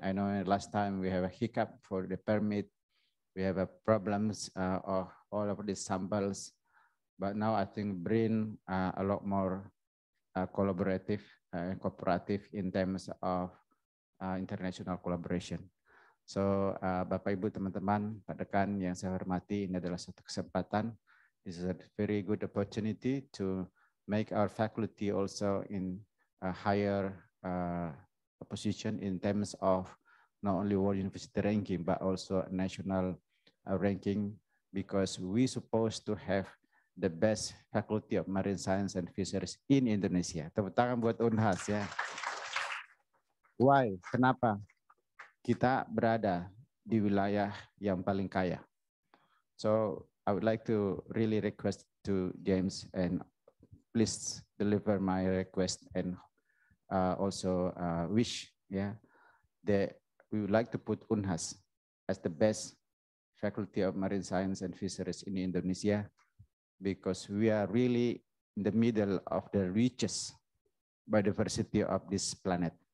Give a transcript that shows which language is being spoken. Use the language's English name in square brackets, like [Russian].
[English] I know last time we have a hiccup for the permit. We have a problems of all of these samples. But now I think bring a lot more collaborative and cooperative in terms of international collaboration. [Indonesian] So Bapak Ibu, teman-teman, Pak Dekan yang saya hormati, ini adalah satu kesempatan. [English] This is a very good opportunity to make our faculty also in a higher position in terms of not only World University ranking, but also national ranking, because we supposed to have the best faculty of marine science and fisheries in Indonesia. [Indonesian] Tepuk tangan buat UNHAS ya. [English] Why? [Indonesian] Kenapa? Kita berada di wilayah yang paling kaya. [English] So I would like to really request to James and please deliver my request and also wish, yeah, that we would like to put UNHAS as the best faculty of marine science and fisheries in Indonesia, because we are really in the middle of the richest biodiversity of this planet.